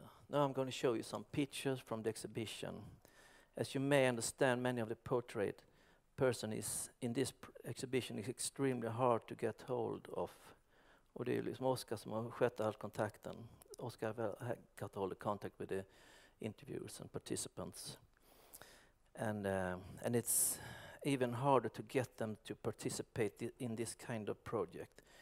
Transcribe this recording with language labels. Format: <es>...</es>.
<en>Now I'm going to show you some pictures from the exhibition. As you may understand, many of the portrait person is in this exhibition is extremely hard to get hold of.</en> <sv>Och det är liksom Oskar som har skött all kontakten.</sv> <en>Oskar got all the contact with the interviewers and participants. And it's even harder to get them to participate in this kind of project.</en>